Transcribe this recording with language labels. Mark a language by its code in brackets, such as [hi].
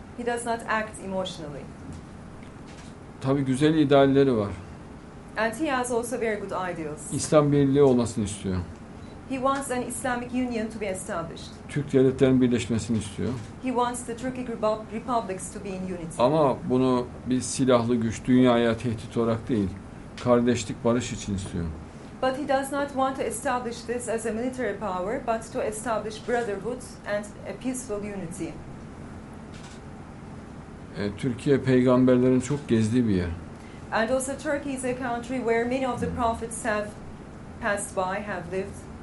[en] He does not act emotionally. [tr] Tabii güzel idealleri var. [en] And he has also very good ideals. [tr] İslam Birliği olmasını istiyor. [en] He wants an Islamic union to be established. [tr] Türk devletlerinin birleşmesini istiyor. [en] He wants the Turkic republics to be in unity. [tr] Ama bunu bir silahlı güç dünyaya tehdit olarak değil, kardeşlik barış için istiyor. [en] But he does not want to establish this as a military power, but to establish brotherhood and a peaceful unity. [tr] Türkiye peygamberlerin çok gezdiği bir yer. [en] And also Turkey is a country where many of the prophets have passed by, have lived.